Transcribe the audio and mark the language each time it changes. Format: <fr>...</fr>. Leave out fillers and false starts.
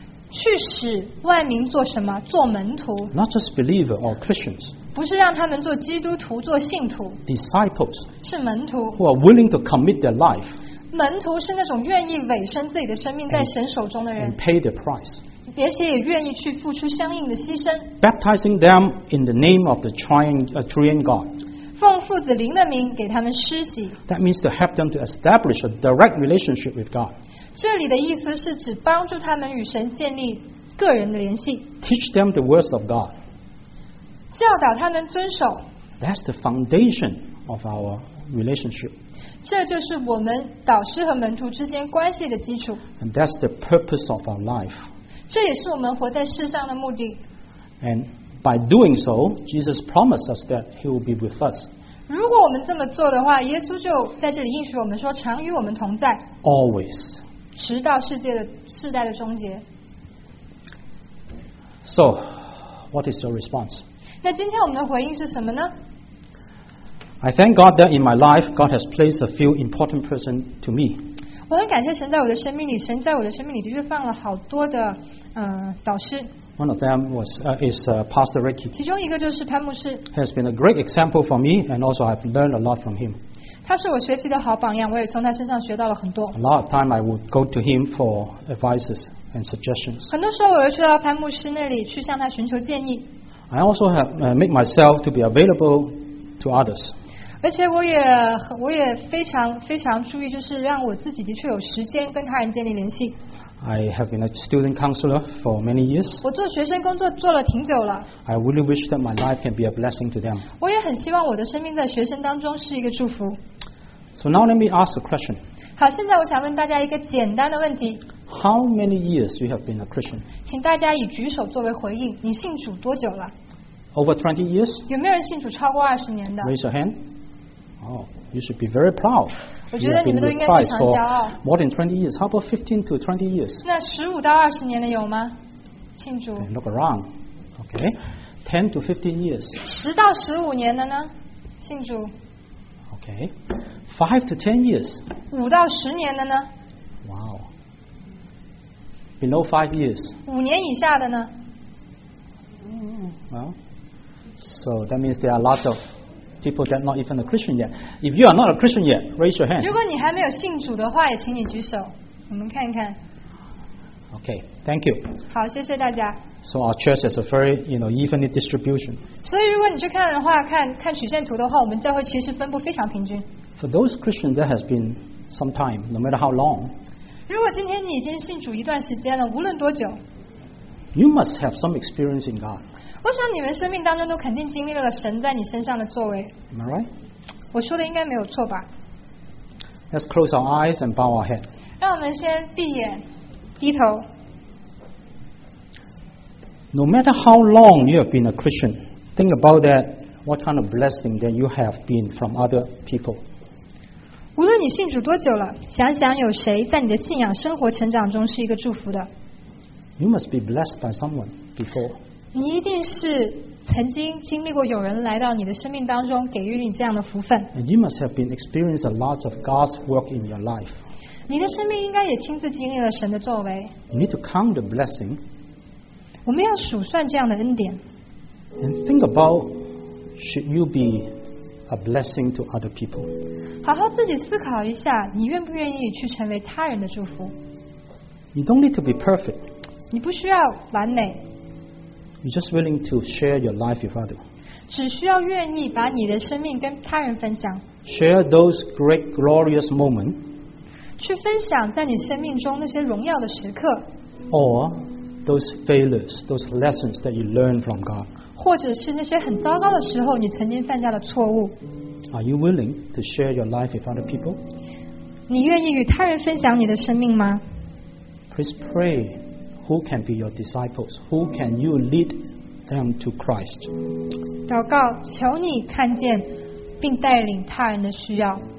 <zh>去使万民做什么？做门徒。</zh> <en>Not just believers or Christians.</en> <zh>不是让他们做基督徒，做信徒。</zh> <en>Disciples.</en> <zh>是门徒。</zh> <en>Who are willing to commit their life.</en> <zh>门徒是那种愿意委身自己的生命在神手中的人。</zh> <en>And pay the price.</en> <zh>而且也愿意去付出相应的牺牲。</zh> <en>Baptizing them in the name of the triune God.</en> <zh>奉父子灵的名给他们施洗。</zh> <en>That means to help them to establish a direct relationship with God.</en> <zh>这里的意思是指帮助他们与神建立个人的联系。</zh> <en>Teach them the words of God.</en> <zh>教导他们遵守。</zh> <en>That's the foundation of our relationship.</en> <zh>这就是我们导师和门徒之间关系的基础。</zh> <en>And that's the purpose of our life.</en> <zh>这也是我们活在世上的目的。</zh> <en>And by doing so, Jesus promised us that he will be with us.</en> <zh>如果我们这么做的话，耶稣就在这里应许我们说，常与我们同在。</zh> <en>Always.</en> <zh>直到世代的终结。</zh> <en>So, what is your response?</en> <zh>那今天我们的回应是什么呢？</zh> <en>I thank God that in my life, God has placed a few important persons to me.</en> <zh>我很感谢神在我的生命里，神在我的生命里的确放了好多的导师。</zh> <en>One of them is Pastor Ricky.</en> <zh>其中一个就是潘牧师。</zh> <en>He has been a great example for me, and also I've learned a lot from him.</en> <zh>他是我学习的好榜样，我也从他身上学到了很多。</zh> <en>A lot of time I would go to him for advices and suggestions.</en> <zh>很多时候我会去到潘牧师那里去向他寻求建议。</zh> <en>I also have make myself to be available to others.</en> <zh>而且我也非常非常注意，就是让我自己的确有时间跟他人建立联系。</zh> <en>I have been a student counselor for many years.</en> <zh>我做学生工作做了挺久了。</zh> <en>I really wish that my life can be a blessing to them.</en> <zh>我也很希望我的生命在学生当中是一个祝福。</zh> <en>So now let me ask a question.</en> <zh>好，现在我想问大家一个简单的问题。</zh> <en>How many years you have been a Christian?</en> <zh>请大家以举手作为回应，你信主多久了？</zh> <en>Over 20 years?</en> <zh>有没有人信主超过二十年的？</zh> <en>Raise your hand. Oh, you should be very proud.</en> <zh>我觉得你们都应该非常骄傲。</zh> <en>More than 20 years, how about 15 to 20 years?</en> <zh>那十五到二十年的有吗？庆祝。</zh> <en>Okay, look around, okay, 10 to 15 years.</en> <zh>十到十五年的呢？庆祝。</zh> <en>Okay, 5 to 10 years.</en> <zh>五到十年的呢？</zh> <en>Wow. Below 5 years.</en> <zh>五年以下的呢？嗯嗯。</zh> <en>Well, so that means there are lots of. People that not even a Christian yet. If you are not a Christian yet, raise your hand.</en> <zh>如果你还没有信主的话，也请你举手，我们看一看。</zh> <en>Okay, thank you.</en> <zh>好，谢谢大家。</zh> <en>So our church has a very, you know, evenly distribution.</en> <zh>所以如果你去看的话，看曲线图的话，我们教会其实分布非常平均。</zh> <en>For those Christians that has been some time, no matter how long.</en> <zh>如果今天你已经信主一段时间了，无论多久。</zh> <en>You must have some experience in God.</en> <zh>我想你们生命当中都肯定经历了神在你身上的作为。</zh> <en>Am I right?</en> <zh>我说的应该没有错吧。</zh> <en>Let's close our eyes and bow our head.</en> <zh>让我们先闭眼，低头。</zh> <en>No matter how long you have been a Christian, think about that, what kind of blessing that you have been from other people.</en> <zh>无论你信主多久了，想想有谁在你的信仰生活成长中是一个祝福的。</zh> <en>You must be blessed by someone before.</en> <zh>你一定是曾经经历过有人来到你的生命当中给予你这样的福分。</zh> <en>And you must have been experienced a lot of God's work in your life.</en> <zh>你的生命应该也亲自经历了神的作为。</zh> <en>You need to count the blessing.</en> <zh>我们要数算这样的恩典。</zh> <en>And think about should you be a blessing to other people.</en> <zh>好好自己思考一下，你愿不愿意去成为他人的祝福。</zh> <en>You don't need to be perfect.</en> <zh>你不需要完美。</zh> <en>You're just willing to share your life with others.</en> <zh>只需要愿意把你的生命跟他人分享。</zh> <en>Share those great glorious moments.</en> <zh>去分享在你生命中那些荣耀的时刻。</zh> <en>Or those failures, those lessons that you learned from God.</en> <zh>或者是那些很糟糕的时候你曾经犯下的错误。</zh> <en>Are you willing to share your life with other people?</en> <zh>你愿意与他人分享你的生命吗？</zh> <en>Please pray. Who can be your disciples? Who can you lead them to Christ?</en> <zh>祷告，求你看见并带领他人的需要。</zh>